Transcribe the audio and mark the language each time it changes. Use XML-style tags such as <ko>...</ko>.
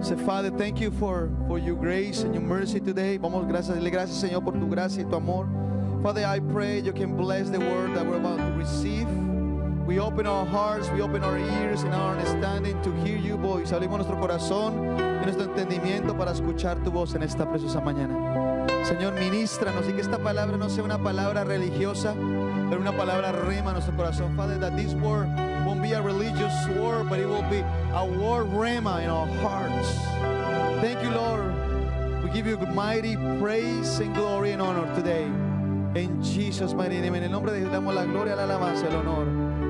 <en>Say, Father, thank you for your grace and your mercy today.</en> <es>Vamos, gracias, dile gracias, Señor, por tu gracia y tu amor.</es> <en>Father, I pray you can bless the word that we're about to receive. We open our hearts, we open our ears and our understanding to hear your voice.</en> <es>Abrimos nuestro corazón y nuestro entendimiento para escuchar tu voz en esta preciosa mañana. Señor, ministranos y que esta palabra no sea una palabra religiosa, pero una palabra rema a nuestro corazón.</es> <en>Father, that this word won't be a religious word, but it will be a word rema in our hearts. Thank you, Lord. We give you mighty praise and glory and honor today. In Jesus' mighty name.</en> <es>En el nombre de Jesús damos la gloria, la alabanza, el honor.</es>